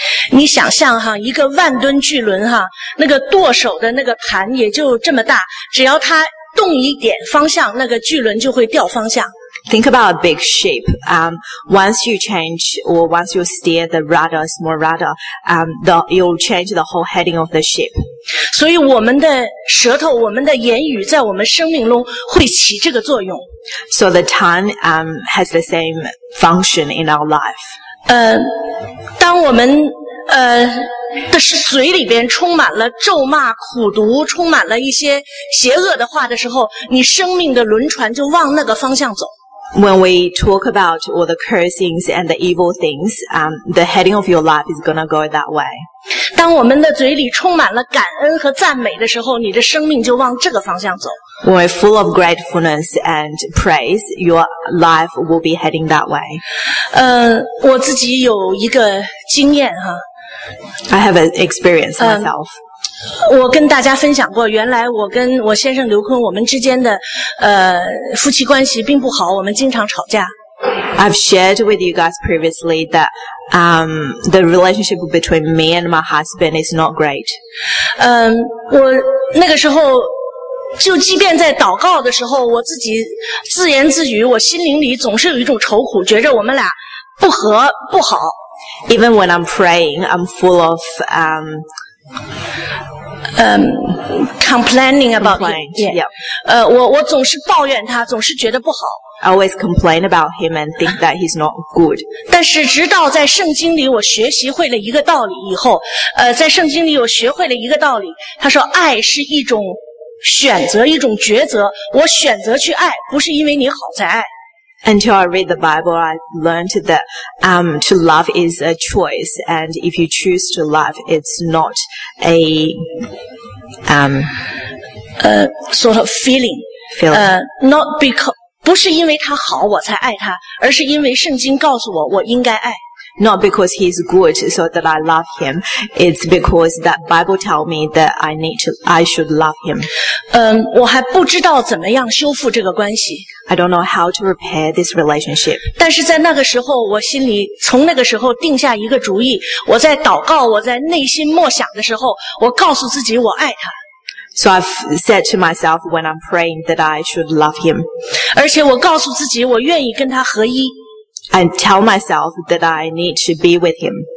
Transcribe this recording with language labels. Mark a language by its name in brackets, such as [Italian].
[Chinese] 你想象哈，一个万吨巨轮哈，那个舵手的那个盘也就这么大，只要它动一点方向，那个巨轮就会掉方向。 [English] Think about a big ship. Once you change or once you steer the rudder, small rudder, you'll change the whole heading of the ship. [Chinese] 所以我们的舌头，我们的言语，在我们生命中会起这个作用。 [English] So the tongue, has the same function in our life. [Chinese] 当我们但是嘴里边充满了咒骂、苦毒，充满了一些邪恶的话的时候，你生命的轮船就往那个方向走。 [English] When we talk about all the cursings and the evil things, the heading of your life is gonna go that way. [Chinese] 当我们的嘴里充满了感恩和赞美的时候，你的生命就往这个方向走。 [English] When we're full of gratefulness and praise, your life will be heading that way. [Chinese] 我自己有一个经验哈。 [English] I have an experience myself. [Chinese] 我跟大家分享过，原来我跟我先生刘坤，我们之间的夫妻关系并不好，我们经常吵架。 [English] I've shared with you guys previously that, the relationship between me and my husband is not great. [Chinese] 我那个时候就即便在祷告的时候，我自己自言自语，我心灵里总是有一种愁苦，觉着我们俩不和不好。 [English] Even when I'm praying, I'm full of, complaining about him. Yeah. [Chinese] 我总是抱怨他，总是觉得不好。 [English] I always complain about him and think that he's not good. [Chinese] 但是直到在圣经里我学习会了一个道理以后，在圣经里我学会了一个道理，他说爱是一种选择，一种抉择，我选择去爱，不是因为你好才爱。 [English] Until I read the Bible, I learned that, to love is a choice, and if you choose to love, it's not a, sort of feeling. Feeling. Not because, [Chinese] 不是因为他好我才爱他，而是因为圣经告诉我我应该爱。 [English] Not because he's good so that I love him. It's because that Bible tell me that I should love him. [Chinese] 我还不知道怎么样修复这个关系。 [English] I don't know how to repair this relationship. [Chinese] 但是在那个时候，我心里从那个时候定下一个主意。我在祷告，我在内心默想的时候，我告诉自己我爱他。 [English] So I've said to myself when I'm praying that I should love him. [Chinese] 而且我告诉自己我愿意跟他合一。 [English] I tell myself that I need to be with him.